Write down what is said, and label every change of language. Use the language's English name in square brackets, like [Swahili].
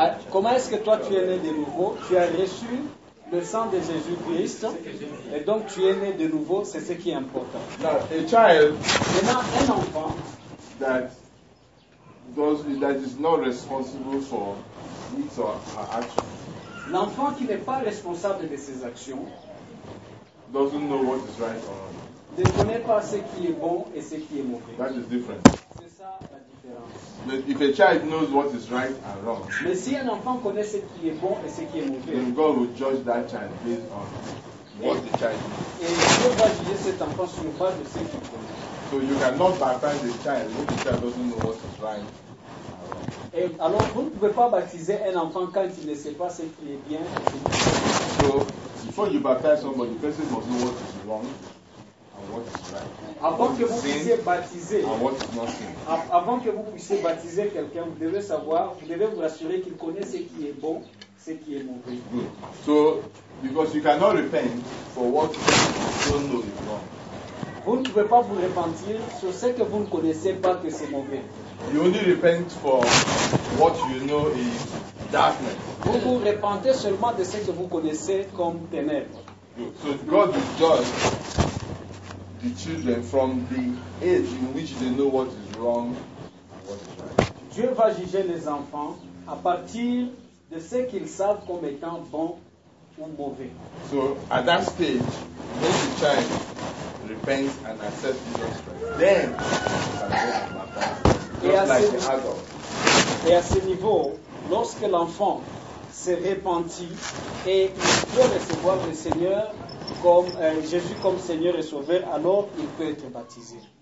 [French] Comment est-ce que toi tu es né de nouveau? Tu as reçu le sang de Jésus Christ, et donc tu es né de nouveau. C'est ce qui est important. [English] Now, a child, [French] maintenant, un enfant [English] that is not responsible for his or her actions. [French] L'enfant qui n'est pas responsable de ses actions [English] doesn't know what is right or wrong. [French] Ne connaît pas ce qui est bon et ce qui est mauvais. [English] That is different. [French] C'est ça la différence. [English] But if a child knows what is right and wrong, [French] mais si un enfant connaît ce qui est bon et ce qui est mauvais, [English] then God will judge that child based on what the child knows. [French] Et Dieu va juger cet enfant sur base de ce qu'il connaît. [English] So you cannot baptize a child if the child doesn't know what is right. [French] Et alors, vous ne pouvez pas baptiser un enfant quand il ne sait pas ce qui est bien. [English] So, before you baptize somebody, the person must know what is wrong and what is right. [French] Avant que vous puissiez baptiser quelqu'un, vous devez savoir, vous devez vous assurer qu'il connaît ce qui est bon, ce qui est mauvais. [English] Good. So, because you cannot repent for what you don't know is wrong. [French] Vous ne pouvez pas vous repentir sur ce que vous ne connaissez pas que c'est mauvais. [English] You only repent for what you know is darkness. [French] Vous vous repentez seulement de ce que vous connaissez comme ténèbres. [English] So God will judge the children from the age in which they know what is wrong and what is right. [French] Dieu va juger les enfants à partir de ce qu'ils savent comme étant bon ou mauvais. [English] So at that stage, when the child repents and accepts Jesus Christ, then he can go to baptize. [French] Et à ce niveau, lorsque l'enfant s'est repenti et il peut recevoir le Seigneur comme Jésus comme Seigneur et Sauveur, alors il peut être baptisé.